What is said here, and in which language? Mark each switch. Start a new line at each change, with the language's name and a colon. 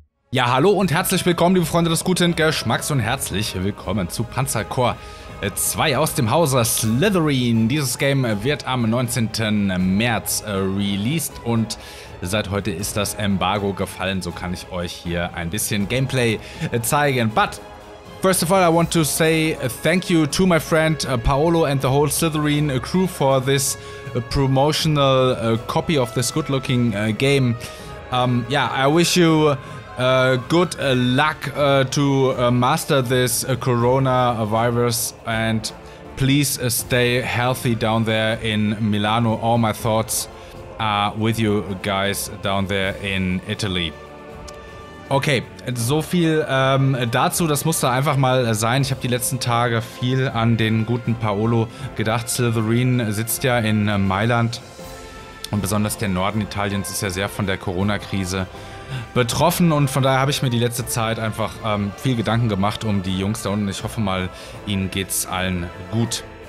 German: Ja, hallo und herzlich willkommen, liebe Freunde des guten Geschmacks, und herzlich willkommen zu Panzer Corps 2 aus dem Hause Slytherin. Dieses Game wird am 19. März released und seit heute ist das Embargo gefallen, so kann ich euch hier ein bisschen Gameplay zeigen.
English: But first of all, I want to say thank you to my friend Paolo and the whole Slytherin crew for this promotional copy of this good-looking game. I wish you good luck to master this coronavirus, and please stay healthy down there in Milano. All my thoughts are with you guys down there in Italy.
German: Okay, so viel dazu, das musste einfach mal sein. Ich habe die letzten Tage viel an den guten Paolo gedacht. Slytherin sitzt ja in Mailand und besonders der Norden Italiens ist ja sehr von der Corona-Krise betroffen und von daher habe ich mir die letzte Zeit einfach viel Gedanken gemacht um die Jungs da unten. Ich hoffe mal, ihnen geht's allen gut.